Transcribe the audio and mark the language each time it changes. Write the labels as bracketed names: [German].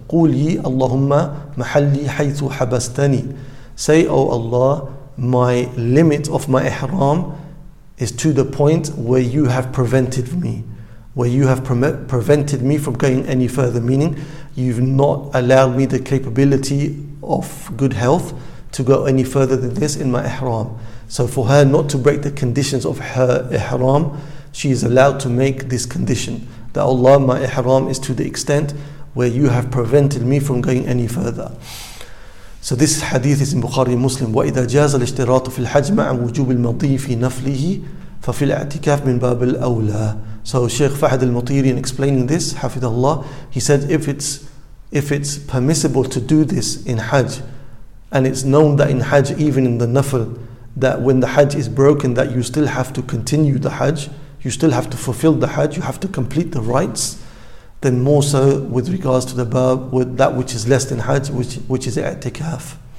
[Arabic] قولي اللهم محلي حيث حبستني, [English] say, O Allah, my limit of my ihram is to the point where you have prevented me, where you have prevented me from going any further, meaning you've not allowed me the capability of good health to go any further than this in my ihram. So for her not to break the conditions of her ihram, she is allowed to make this condition, that Allah, my ihram is to the extent where you have prevented me from going any further. So this hadith is in Bukhari Muslim. [Arabic] وَإِذَا جَازَ الْإِشْتِرَاطُ فِي الْحَجْمَ عَمْ وُجُوبِ الْمَضِيِّ فِي نَفْلِهِ ففي الاعتكاف من باب الأولى. [English] So Sheikh Fahd al-Mutiri, in explaining this, hafidhahullah, he said if it's permissible to do this in Hajj, and it's known that in Hajj, even in the Nafl, that when the Hajj is broken, that you still have to continue the Hajj, you still have to fulfill the Hajj, you have to complete the rites, then more so with regards to the bab, with that which is less than Hajj, which is i'tikaf.